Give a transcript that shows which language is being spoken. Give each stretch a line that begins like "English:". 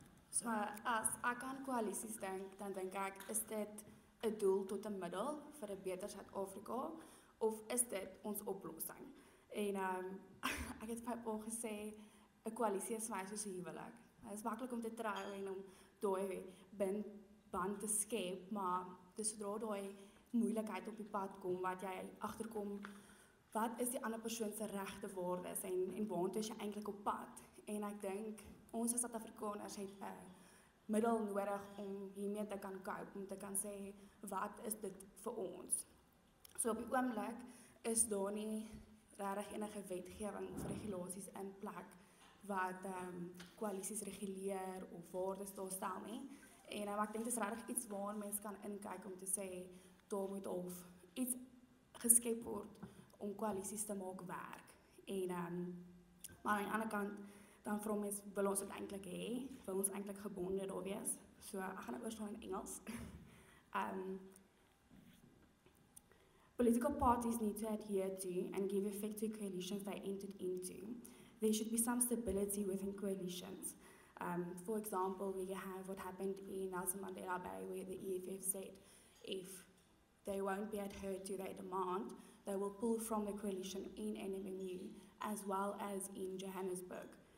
English: So as a coalition, then I think, is that a tool to the middle for a better South Africa, or is that our solution?
Afrikaans: En ek het my pa gesê, 'n koalisie is my soos 'n huwelik. Dit is maklik om te trou en om daai band te skep, maar dis sodra daai moeilikheid op die pad kom, wat jy agterkom, wat is die ander persoon se regte waardes en waartoe is jy eintlik op pad? En ek dink, ons as Suid-Afrikaners het 'n middel nodig om hiermee te kan cope, om te kan sê, wat is dit vir ons? So op die oomblik is daar nie daar enige wetgewing of regulasies in plek wat koalisies reguleer of waardes daar stel nie. En ek dink dit is regtig iets waar mense kan inkyk om te sê daar moet of iets geskep word om koalisies te maak werk. En maar aan die ander kant dan vra mense wil ons dit eintlik hê? Wil ons eintlik gebonde daar wees? So ek gaan dit oorstel in Engels.
English: Political parties need to adhere to and give effect to coalitions they entered into. There should be some stability within coalitions. For example, we have what happened in Nelson Mandela Bay where the EFF said if they won't be adhered to their demand, they will pull from the coalition in NMMU as well as in Johannesburg.